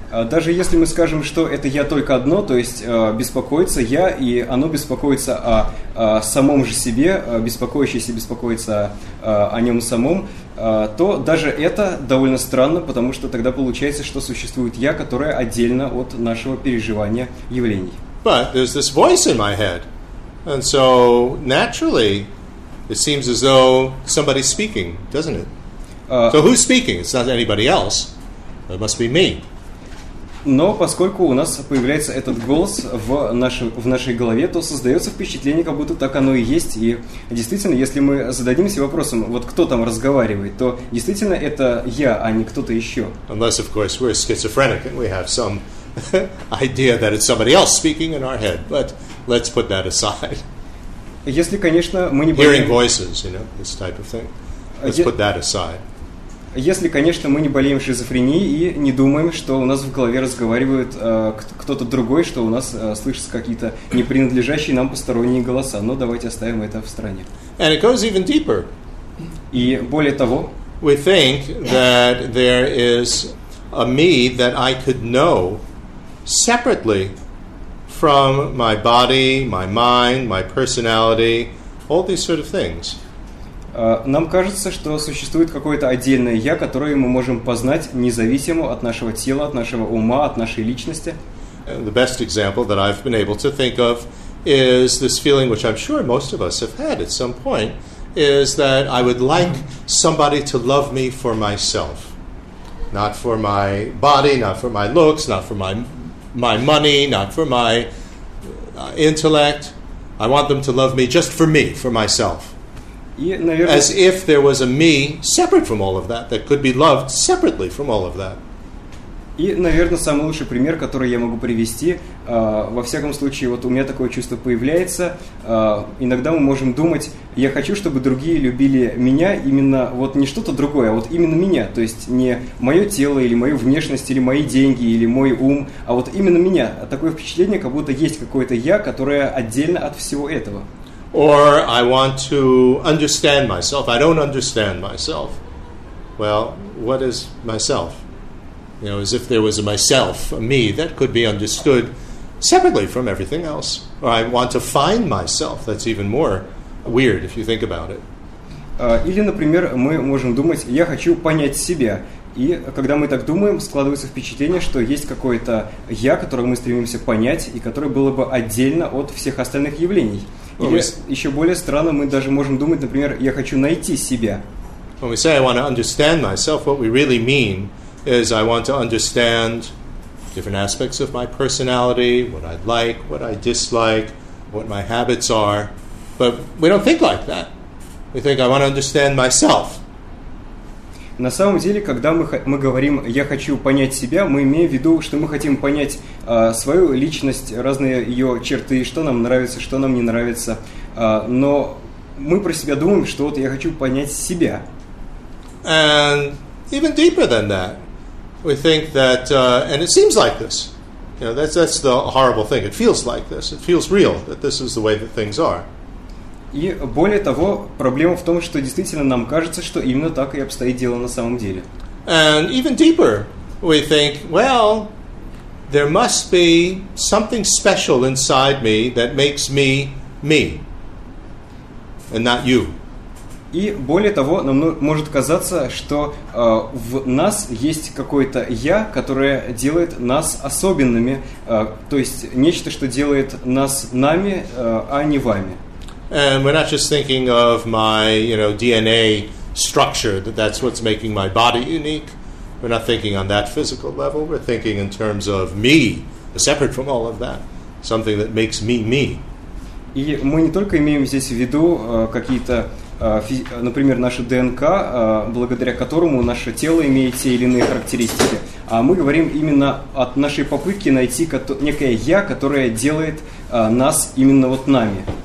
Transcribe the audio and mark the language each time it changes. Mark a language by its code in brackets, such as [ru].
[ru] Даже если мы скажем, что это я только одно, то есть беспокоится я, и оно беспокоится о самом же себе, беспокоящийся беспокоится о нем самом, то даже это довольно странно, потому что тогда получается, что существует я, которое отдельно от нашего переживания явлений. [en] But there's this voice in my head, and so naturally it seems as though somebody's speaking, doesn't it? So who's speaking? It's not anybody else. It must be me. [ru] Но поскольку у нас появляется этот голос в нашей голове, то создается впечатление, как будто так оно и есть. И действительно, если мы зададимся вопросом, вот кто там разговаривает, то действительно это я, а не кто-то еще. [en] Unless, of course, we're schizophrenic and we have some idea that it's somebody else speaking in our head. But let's put that aside. [ru] Если, конечно, мы не [en] hearing voices, you know, this type of thing. Let's put that aside. [ru] Если, конечно, мы не болеем шизофренией и не думаем, что у нас в голове разговаривает кто-то другой, что у нас слышатся какие-то непринадлежащие нам посторонние голоса. Но давайте оставим это в стороне. [en] And it goes even deeper. [ru] И более того, [en] we think that there is a me that I could know separately from my body, my mind, my personality, all these sort of things. [ru] Нам кажется, что существует какое-то отдельное «я», которое мы можем познать независимо от нашего тела, от нашего ума, от нашей личности. [en] The best example that I've been able to think of is this feeling, which I'm sure most of us have had at some point, is that I would like somebody to love me for myself. Not for my body, not for my looks, not for my money, not for my intellect. I want them to love me just for me, for myself. As if there was a me separate from all of that, that could be loved separately from all of that. [ru] И, наверное, самый лучший пример, который я могу привести, во всяком случае, вот у меня такое чувство появляется, иногда мы можем думать, я хочу, чтобы другие любили меня именно, вот не что-то другое, а вот именно меня, то есть не мое тело, или мою внешность, или мои деньги, или мой ум, а вот именно меня. Такое впечатление, как будто есть какое-то я, которое отдельно от всего этого. [en] Or I want to understand myself. I don't understand myself. Well, what is myself? You know, as if there was a myself, a me, that could be understood separately from everything else. Or I want to find myself. That's even more weird if you think about it. [ru] Или, например, мы можем думать, я хочу понять себя. И когда мы так думаем, складывается впечатление, что есть какое-то я, которое мы стремимся понять, и которое было бы отдельно от всех остальных явлений. Или еще более странно, мы даже можем думать, например, я хочу найти себя. [en] When we say I want to understand myself, what we really mean is I want to understand different aspects of my personality, what I like, what I dislike, what my habits are. But we don't think like that. We think I want to understand myself. [ru] На самом деле, когда мы говорим «я хочу понять себя», мы имеем в виду, что мы хотим понять свою личность, разные ее черты, что нам нравится, что нам не нравится. Но мы про себя думаем, что вот я хочу понять себя. [en] And even deeper than that, we think that, and it seems like this, you know, that's the horrible thing, it feels like this, it feels real, that this is the way that things are. [ru] И более того, проблема в том, что действительно нам кажется, что именно так и обстоит дело на самом деле. [en] And even deeper, we think, well, there must be something special inside me that makes me me, and not you. [ru] И более того, нам может казаться, что в нас есть какое-то «я», которое делает нас особенными, то есть нечто, что делает нас нами, а не вами. [en] And we're not just thinking of my, you know, DNA structure, that's what's making my body unique. We're not thinking on that physical level. We're thinking in terms of me, separate from all of that, something that makes me me. [ru] И мы не только имеем здесь в виду какие-то, например, нашу ДНК, благодаря которому наше тело имеет те или иные характеристики, а мы говорим именно от нашей попытки найти некое «я», которое делает нас именно вот нами.